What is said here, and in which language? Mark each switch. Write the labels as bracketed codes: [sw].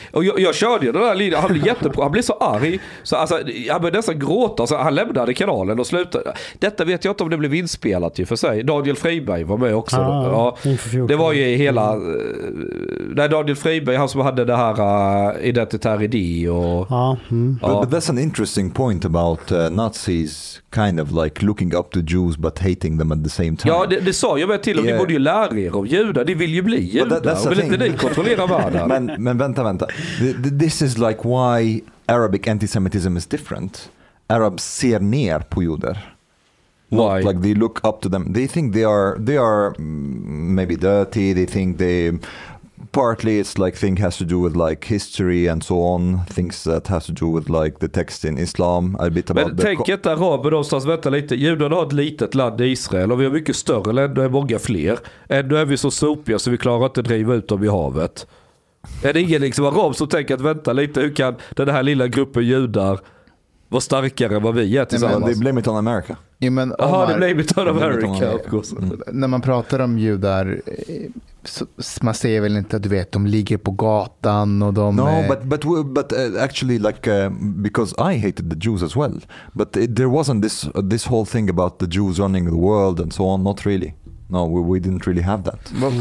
[sv] Och jag körde ju den där linjen. Han blev jättebra. Han blev så arg. Så alltså, han började nästan gråta. Så han lämnade kanalen och slutade. Detta vet jag inte om det blev inspelat i för sig. Daniel Friberg var med också. Ah, ja, det var ju hela... Nej, Daniel Friberg, han som hade det här Identitär idé och... Ja. [en] But that's an interesting point about Nazis kind of like looking up to Jews but hating them at the same time. [sv] Ja, det sa jag väl till om. Yeah. Ni borde ju lära er om judar. De vill ju bli judar. Och vill inte ni kontrollera världen? Men vänta. [en] This is like why Arabic antisemitism is different. [sv] Arabs ser ner på judar. [en] Why? Like they look up to them. They think they are maybe dirty. They think they... Partly it's like thing has to do with like history and so on. Things that has to do with like the text in Islam. A bit about [sv] men tänk inte araber någonstans, vänta lite. Judarna har ett litet land i Israel och vi har mycket större länder och många fler. Ändå är vi så sopiga så vi klarar inte att driva ut dem i havet. Är det ingen liksom arab som tänker att vänta lite, hur kan den här lilla gruppen judar vara starkare än vad vi är tillsammans? [en] They blame it on America. Jaha, they blame it on America. [sv] När man pratar om judar, man säger väl inte att du vet, de ligger på gatan och de... [en] No, but actually like, because I hated the Jews as well. But there wasn't this whole thing about the Jews running the world and so on, not really. No, we didn't really have that.